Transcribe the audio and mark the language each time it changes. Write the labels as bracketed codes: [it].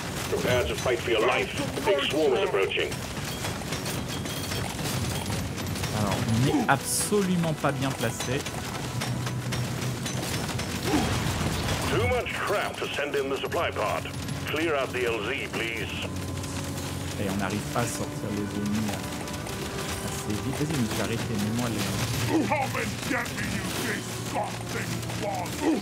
[en] Prepare to fight for your life. Big swarm is approaching. [fr] Alors, on n'est absolument pas bien placé. [en] Too much crap to send in the supply pod. Clear out the LZ, please. [fr] Et on n'arrive pas à sortir les ennemis assez vite. Vas-y, mais arrêtez, mets-moi les... [en] Come and get me, you disgusting boss!